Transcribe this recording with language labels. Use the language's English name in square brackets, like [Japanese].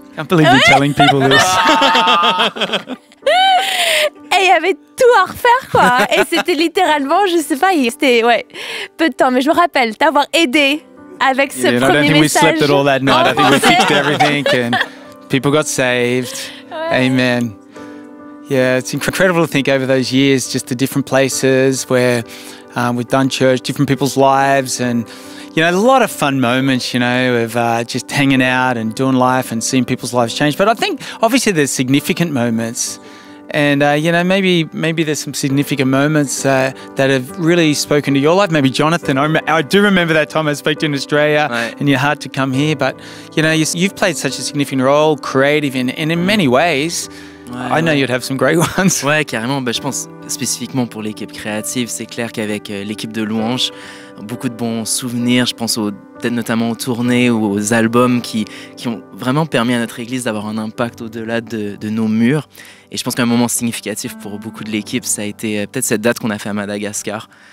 [English] I can't believe you're telling people this. [French] Et il y avait tout à refaire, quoi. Et c'était littéralement, je sais pas, c'était peu de temps, mais je me rappelle t'avoir aidé avec ce premier message. [English] I don't think we slept at all that night. I think we fixed everything and people got saved. Ouais. Amen. Yeah, it's incredible to think over those years, just the different places where we've done church, different people's lives and... You know, a lot of fun moments, you know, of just hanging out and doing life and seeing people's lives change. But I think, obviously, there's significant moments. And, you know, maybe there's some significant moments that have really spoken to your life. Maybe Jonathan, I do remember that time I spoke to in Australia and your heart to come here. But, you know, you've played such a significant role, creative, and in many ways. I know you'd have some great ones. [French] Ouais, carrément. Bah, je pense spécifiquement pour l'équipe créative, c'est clair qu'avec l'équipe de Louange, beaucoup de bons souvenirs, je pense peut-être notamment aux tournées ou aux albums qui ont vraiment permis à notre église d'avoir un impact au-delà de nos murs. Et je pense qu'un moment significatif pour beaucoup de l'équipe, ça a été peut-être cette date qu'on a fait à Madagascar.